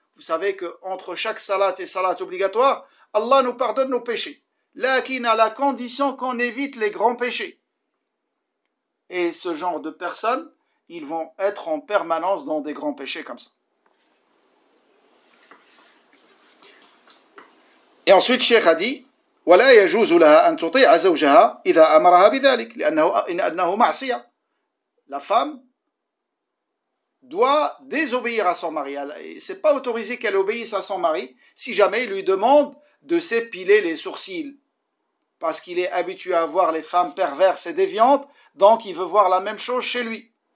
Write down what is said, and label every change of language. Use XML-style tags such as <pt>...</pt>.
<fr>Vous savez qu'entre chaque salat et salat obligatoire, Allah nous pardonne nos péchés. Lakin à la condition qu'on évite les grands péchés. Et ce genre de personnes, ils vont être en permanence dans des grands péchés comme ça. Et ensuite, Cheikh a dit,</fr> <ar>ولا يجوز لها أن تطيع زوجها إذا أمرها بذلك لأنه معصية.</ar> <fr>La femme doit désobéir à son mari. C'est pas autorisé qu'elle obéisse à son mari si jamais il lui demande de s'épiler les sourcils, parce qu'il est habitué à voir les femmes perverses et déviantes, donc il veut voir la même chose chez lui.</fr>